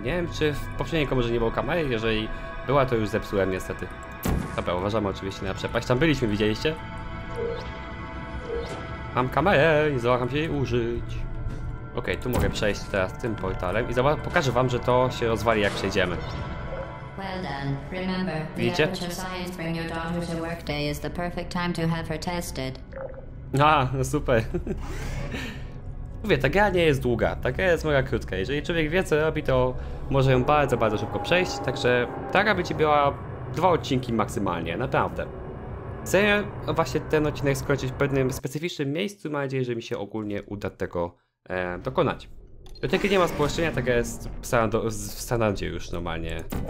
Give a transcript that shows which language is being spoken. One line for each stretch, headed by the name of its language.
Polish: Nie wiem, czy w poprzedniej komorze nie było kamery, jeżeli była, to już zepsułem niestety. Dobra, uważamy oczywiście na przepaść. Tam byliśmy, widzieliście? Mam kamerę i zawaham się jej użyć. Okej, tu mogę przejść teraz tym portalem i pokażę wam, że to się rozwali, jak przejdziemy.
English: Well done. Remember,
Polish: widzicie?
English: The Aperture Science bring your daughter to work day is the perfect time to have her tested.
Polish: A, no super. Mówię, ta gra nie jest długa, ta gra jest mega krótka. Jeżeli człowiek wie, co robi, to może ją bardzo, bardzo szybko przejść. Także ta gra by ci była dwa odcinki maksymalnie, naprawdę. Chcę właśnie ten odcinek skończyć w pewnym specyficznym miejscu. Mam nadzieję, że mi się ogólnie uda tego dokonać. Do tego nie ma spłaszczenia, ta gra jest w standardzie już normalnie.